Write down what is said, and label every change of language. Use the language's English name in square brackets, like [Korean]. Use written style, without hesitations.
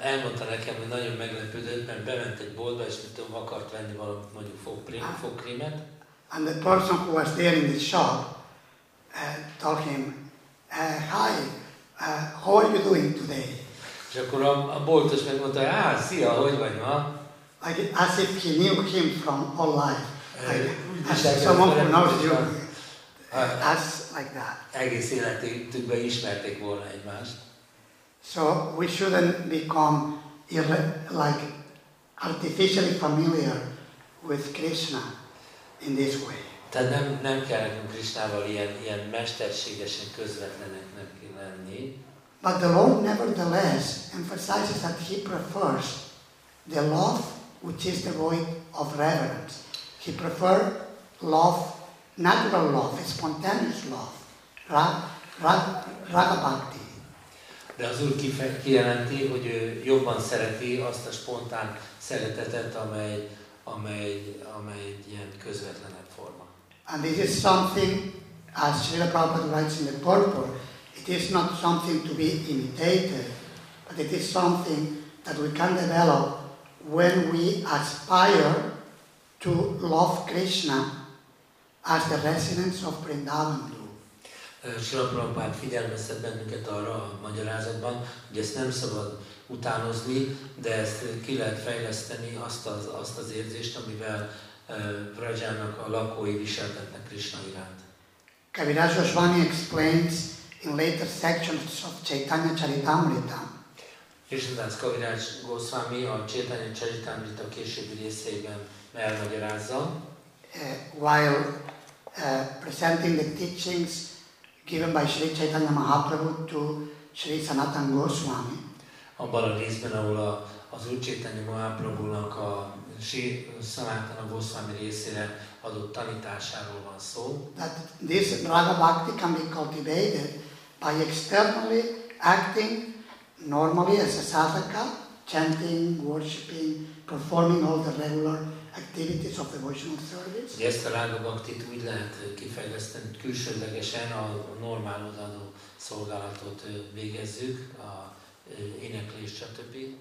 [Hungarian] Elmondta nekem, hogy nagyon meglepődött, mert bement egy boltba, és mit tudom, akart venni valamit, mondjuk fogkrémet. [English] And the person who was there in the shop told him, "Hi, how are you doing today?" [Hungarian] És akkor a boltos megmondta, szia, hogy vagy ma? [English] Like, as if he knew him from all life. As someone who knows you. As like that. [Hungarian] Egész életükben ismerték volna egymást. [English] So we shouldn't become like artificially familiar with Krishna. In this way. [Hungarian] Tehát nem kell nekünk Krisnával ilyen mesterségesen közvetleneknek lenni. [English] But the Lord nevertheless emphasizes that he prefers the love which is devoid of reverence. He prefers love, natural love, spontaneous love, raga bhakti. [Hungarian] De az Úr kijelenti, hogy ő jobban szereti azt a spontán szeretetet, amely egy ilyen közvetlenebb forma. [English] And this is something, as Srila Prabhupada writes in the purport, it is not something to be imitated, but it is something that we can develop when we aspire to love Krishna as the residents of Vrindavan do. [Hungarian] Srila Prabhupád figyelmeztet bennünket arra a magyarázatban, hogy ezt nem szabad utánozni, de ezt ki lehet fejleszteni azt az érzést, amivel Prajának a lakói viseltetnek Krishna iránt. [English] Kaviraj Goswami explains in later sections of Chaitanya Charitamrita. [Hungarian] Krishnadas Kaviraj Goswami a Chaitanya Charitamrita későbbi részében elmagyarázza. [English] While presenting the teachings given by Sri Chaitanya Mahaprabhu to Sri Sanatana Goswami. [Hungarian] Abban a részben, ahol az Úr Chaitanya Mahaprabhunak a Sri Sanatana Goswami részére adott tanításáról van szó. [English] That this Radha Bhakti can be cultivated by externally acting normally as a sadhaka, chanting, worshipping, performing all the regular activities of devotional service. [Hungarian] Ezt a Radha Bhaktit úgy lehet kifejleszteni, külsődlegesen a normál odaadó szolgálatot végezzük, a éneklés, stb.